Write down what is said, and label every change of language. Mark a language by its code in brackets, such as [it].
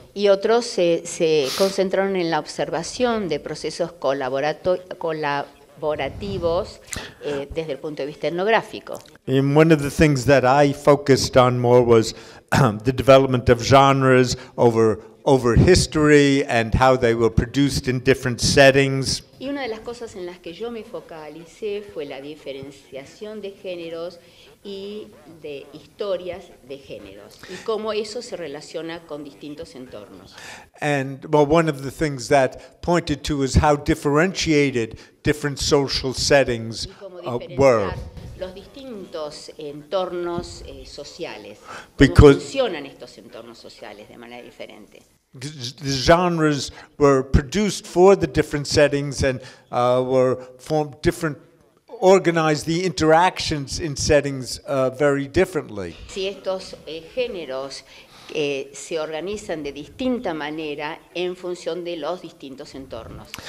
[es] Y otros se concentraron en la observación de procesos colaborativos desde el punto de vista etnográfico. [en] And one of the things that I focused on more was the development of genres over history and how they were produced in different settings. [es] Y una de las cosas en las que yo me focalicé fue la diferenciación de géneros y de historias de géneros y cómo eso se relaciona con distintos entornos. [en] And well, one of the things that pointed to is how differentiated different social settings were. [es] Los distintos entornos sociales, cómo funcionan estos entornos sociales de manera diferente. [en] The genres were produced for the different settings and were formed different, organized the interactions in settings very differently. [es] Si estos géneros se organizan de distinta manera en función de los distintos entornos.